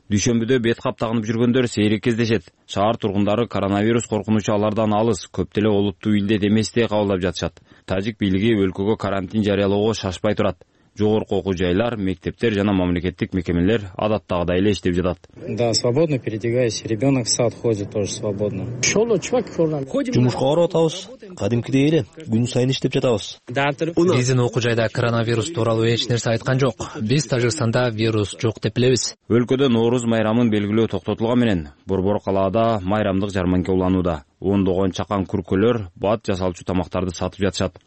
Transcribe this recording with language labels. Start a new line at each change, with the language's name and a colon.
Kyrgyz: Дүйшөмбүдө бет кап тагынып жүргөндөр сейрек кездешет. Шаар тургундары коронавирус коркунучу алардан алыс, көп деле олуттуу илдет эмес деп кабылдап жатышат. Тажик бийлиги өлкөгө карантин жарыялоого шашпай турат. Жогорку окуу жайлар, мектептер жана мамлекеттик мекемелер адаттагыдай эле иштеп жатат.
Russian: Да, свободно передвигаюсь. Ребенок в сад ходит тоже свободно.
Kyrgyz: Шоло, чувак, ходим. Жумушка оор атабыз. Кадимкидей эле күн сайын иштеп жатабыз. Биздин окуу жайда коронавирус тууралуу эч нерсе айткан жок. Биз Тажикстанда вирус жок деп билебиз. Өлкөдө Нооруз майрамын белгилөө токтотулган менен Борбор калаада майрамдык жарманке уланууда. Ондогон чакан күркөлөр бат жасалчу тамактарды сатып жатышат.